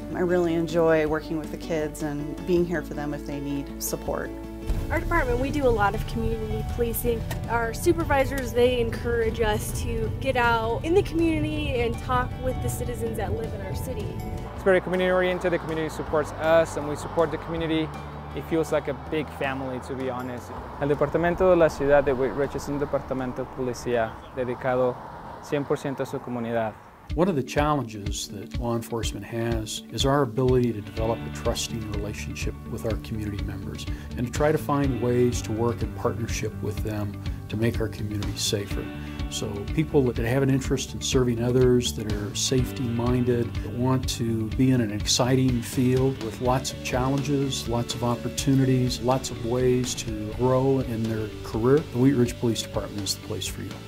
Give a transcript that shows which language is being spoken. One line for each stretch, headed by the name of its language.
English: I really enjoy working with the kids and being here for them if they need support. Our department, we do a lot of community policing. Our supervisors, they encourage us to get out in the community and talk with the citizens that live in our city. It's very community-oriented. The community supports us and we support the community. It feels like a big family, to be honest.
Spanish: El departamento de la ciudad de Wheat Ridge es un departamento de policía dedicado 100% a su comunidad.
English: One of the challenges that law enforcement has is our ability to develop a trusting relationship with our community members and to try to find ways to work in partnership with them to make our community safer. So people that have an interest in serving others, that are safety-minded, that want to be in an exciting field with lots of challenges, lots of opportunities, lots of ways to grow in their career, the Wheat Ridge Police Department is the place for you.